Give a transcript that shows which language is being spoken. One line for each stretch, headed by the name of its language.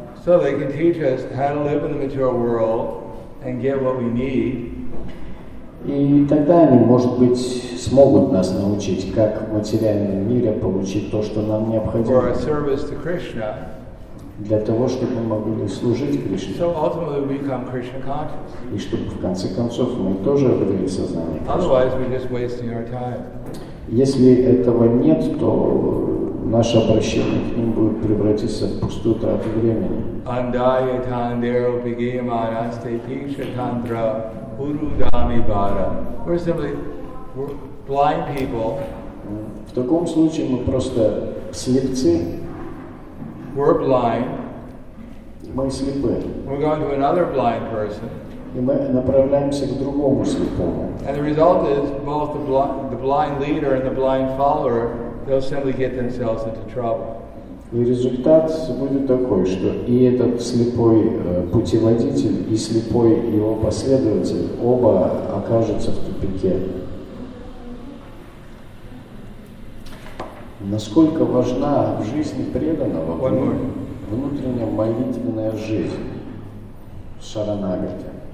English: So they can teach us how to live in the material world and get what we need.
Russian: И тогда они, может быть, смогут нас научить, как в материальном мире получить то, что нам необходимо.
English: For a service to Krishna.
Russian: Для того, чтобы мы могли служить Кришне.
English: So ultimately we become Krishna conscious.
Russian: И чтобы в конце концов мы тоже обрели сознание Кришны.
English: Otherwise we're just wasting our time.
Russian: Если этого нет, то наше обращение к ним будет превратиться в пустую трату времени. Andaya tandero bhigimana ste pisha tantra urudami bara.
English: We're simply blind people.
Russian: В таком случае мы просто слепцы.
English: We're blind.
Russian: Мы слепы.
English: We're going to another blind person.
Russian: И мы направляемся к другому слепому.
English: And the result is both the blind leader and the blind follower, they'll simply get themselves into trouble.
Russian: И результат будет такой, что и этот слепой путеводитель, и слепой его последователь, оба окажутся в тупике. Насколько важна в жизни преданного внутренняя молитвенная жизнь, шаранагати.